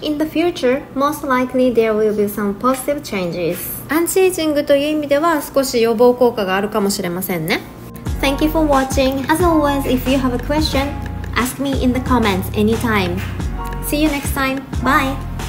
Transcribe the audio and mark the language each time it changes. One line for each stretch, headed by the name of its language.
English: In the future, most likely there will be some positive changes.
Japanese: アンチエイジングという意味では少し予防効果があるかもしれませんね。
English: Thank you for watching. As always, if you have a question, ask me in the comments anytime. See you next time. Bye!